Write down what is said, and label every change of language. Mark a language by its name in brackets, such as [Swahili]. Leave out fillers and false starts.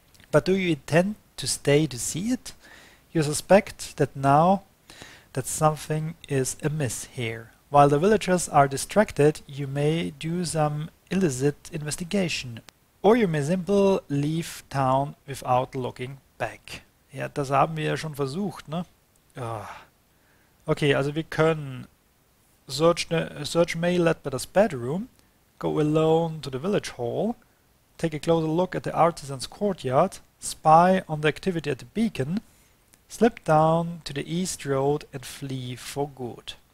[English] But do you intend to stay to see it? You suspect that now that something is amiss here. While the villagers are distracted, you may do some illicit investigation. Or you may simply leave town without looking back. [German] Ja, das haben wir ja schon versucht, ne? Okay, also wir können [English] search May Ledbetter's bedroom, go alone to the village hall, take a closer look at the artisan's courtyard, spy on the activity at the beacon, slip down to the east road and flee for good.